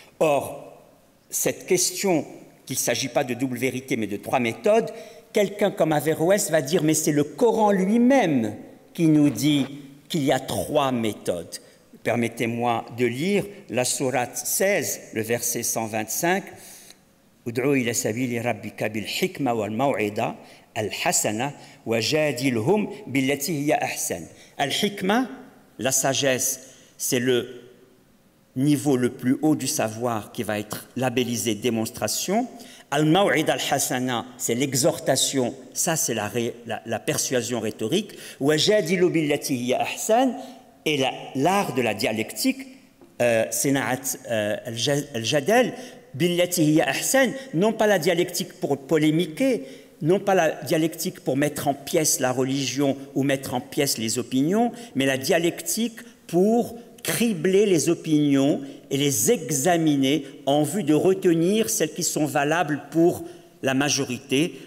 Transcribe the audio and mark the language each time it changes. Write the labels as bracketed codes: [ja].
[fr] Or, cette question, qu'il ne s'agit pas de double vérité mais de trois méthodes, quelqu'un comme Averroès va dire « mais c'est le Coran lui-même qui nous dit qu'il y a trois méthodes ». Permettez-moi de lire la sourate 16, le verset 125. [ar] ودعوا إلى سبيل ربك بالحكمة والموعظة الحسنة وجادلهم بالتي هي أحسن. [fr] الحكمة, la sagesse, c'est le niveau le plus haut du savoir qui va être labellisé démonstration. [ar] Al-maw'id al-hasana, [fr] c'est l'exhortation, ça c'est la persuasion rhétorique. [ar] Wajadilu billati hiya ahsan, [fr] et l'art de la dialectique, [ar] sina'at al-jadal, billati hiya ahsan, [fr] non pas la dialectique pour polémiquer, non pas la dialectique pour mettre en pièce la religion ou mettre en pièce les opinions, mais la dialectique pour cribler les opinions et les examiner en vue de retenir celles qui sont valables pour la majorité.